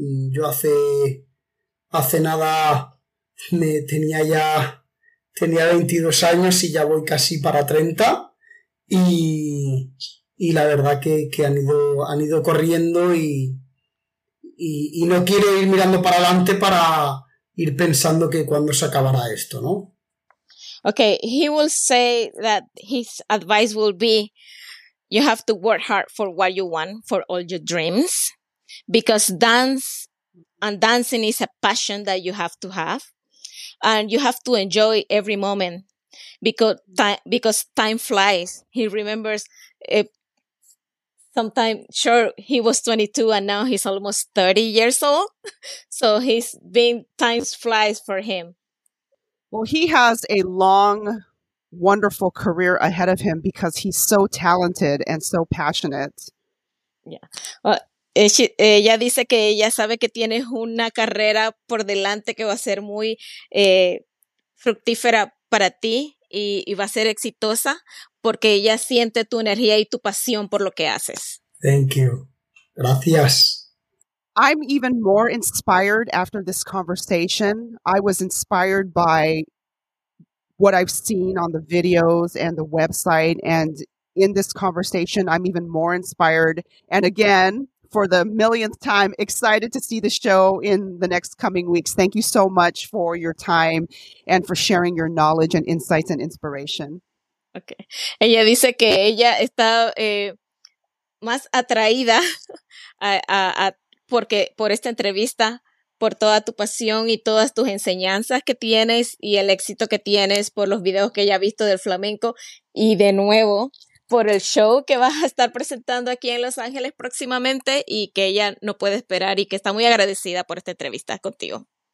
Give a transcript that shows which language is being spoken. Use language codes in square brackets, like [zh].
[es] Yo hace nada me tenía 22 años y ya voy casi para 30, y la verdad que han ido corriendo, y no quiero ir mirando para adelante para ir pensando que cuándo se acabará esto, ¿no? [en] Okay, he will say that his advice will be, you have to work hard for what you want, for all your dreams, because dance and dancing is a passion that you have to have, and you have to enjoy every moment, because time flies. He remembers sometime, sure, he was 22 and now he's almost 30 years old, so he's been, time flies for him. Well, he has a long, wonderful career ahead of him because he's so talented and so passionate. Yeah. [es] Well, ella dice que ella sabe que tiene una carrera por delante que va a ser muy fructífera para ti y va a ser exitosa porque ella siente tu energía y tu pasión por lo que haces. [en] Thank you. [es] Gracias. [en] I'm even more inspired after this conversation. I was inspired by what I've seen on the videos and the website. And in this conversation, I'm even more inspired. And again, for the millionth time, excited to see the show in the next coming weeks. Thank you so much for your time and for sharing your knowledge and insights and inspiration. Okay. [es] Ella dice que ella está más atraída a porque por esta entrevista, por toda tu pasión y todas tus enseñanzas que tienes y el éxito que tienes por los videos que ella ha visto del flamenco y de nuevo por el show que vas a estar presentando aquí en Los Ángeles próximamente y que ella no puede esperar y que está muy agradecida por esta entrevista contigo.